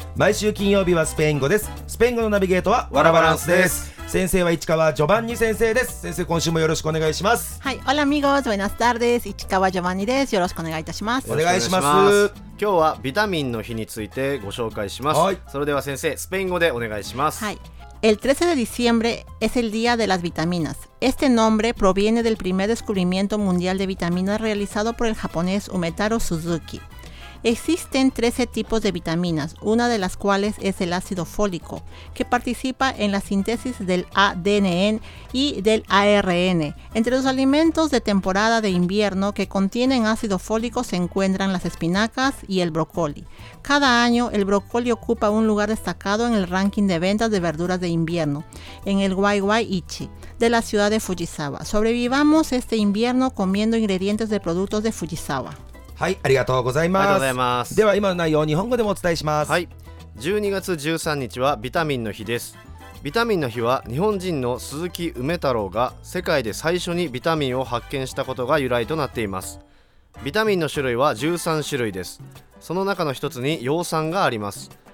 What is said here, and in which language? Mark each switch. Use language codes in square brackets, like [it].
[ja] 毎週金曜日はスペイン語です。スペイン語のナビゲートはワラバランスです。先生は市川ジョバンニ先生です。先生今週もよろしくお願いします。はい、オラミゴーズ、ベナスタールです。市川ジョバンニです。よろしくお願いいたします。お願いします。今日はビタミンの日についてご紹介します。はい、それでは先生スペイン語でお願いします。 [es] はい、El 13 de diciembre es el día de las vitaminas. Este nombre proviene del primer descubrimiento mundial de vitaminas realizado por el japonés Umetaro Suzuki. Existen 13 tipos de vitaminas, una de las cuales es el ácido fólico, que participa en la síntesis del ADN y del ARN. Entre los alimentos de temporada de invierno que contienen ácido fólico se encuentran las espinacas y el brócoli. Cada año, el brócoli ocupa un lugar destacado en el ranking de ventas de verduras de invierno, en el Waiwaiichi de la ciudad de Fujisawa. Sobrevivamos este invierno comiendo ingredientes de productos de Fujisawa. [ja] はい、ありがとうございます。ありがとうございます。では今の内容を日本語でもお伝えします。はい、12月13日はビタミンの日です。ビタミンの日は日本人の鈴木梅太郎が世界で最初にビタミンを発見したことが由来となっています。ビタミンの種類は13種類です。その中の一つに葉酸があります。